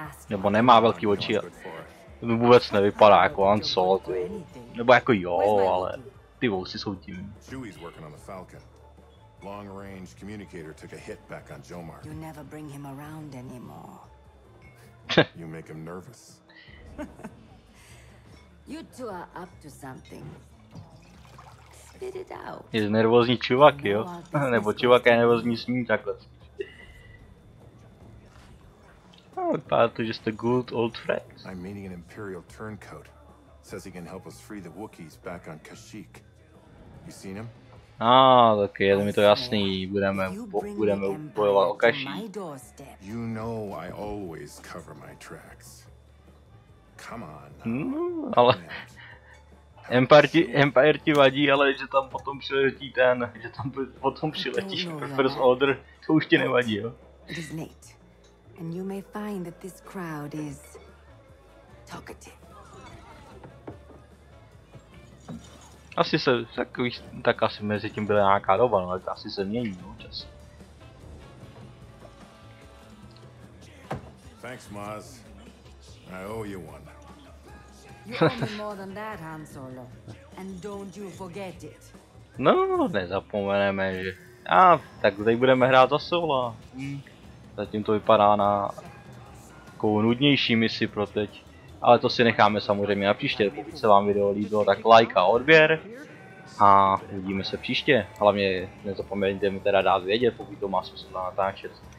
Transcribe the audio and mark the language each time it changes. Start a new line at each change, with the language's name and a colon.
Czech: Nebo nemá velký oči, vůbec nevypadá jako Han Solo, nebo jako jo, ale ty vousy jsou tím.
English: Chewie's working on the Falcon. Long range communicator took a hit back on Jomar. You never bring him around anymore. You make him nervous. You two are up to something. Spit it out.
Czech: Je nervózní čuvak, jo? Nebo čuvak je nervózní s ním takhle.
English: Oh, just a good old friend. I'm meeting an Imperial turncoat. Says he can help us free the Wookiees back on Kashyyyk. You seen him?
Czech: Ah, okay, je mi to jasný. Budeme bojovat o Kashyyyk.
English: You know I always cover my tracks. Come on.
Czech: Ale Empire ti vadí, ale že tam potom přiletí ten, že tam potom přiletí First Order, to už ti nevadí, jo?
English: And you may find that this crowd is talkative.
Czech: Asi se takový, tak asi mezi tím byla nějaká doba, ale to asi se mění, no, čas.
English: Thanks, Maz. I owe you one. You owe me more than that, Han Solo. And don't you forget it.
Czech: No, nezapomeneme, že... A, tak teď budeme hrát za Solo. Zatím to vypadá na takovou nudnější misi pro teď. Ale to si necháme samozřejmě na příště. Pokud se vám video líbilo, tak like a odběr. A uvidíme se příště. Hlavně nezapomeňte mi teda dát vědět, pokud to má smysl natáčet.